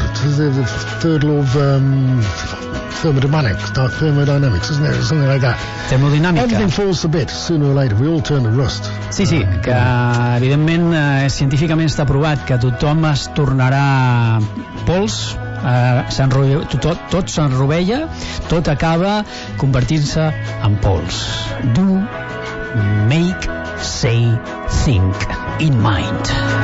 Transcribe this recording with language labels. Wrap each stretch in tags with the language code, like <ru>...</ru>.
<en>The third law of thermodynamics, isn't it? Something like that.</en> <ca>Thermodinàmica.</ca> <en>Everything falls to bits sooner or later. We all turn to rust.</en> <ca>Sí, sí, que evidentment científicament està provat que tothom es tornarà pols, tot s'enrovella, tot acaba convertint-se en pols.</ca> <en>Do, make, say, think, in mind.</en>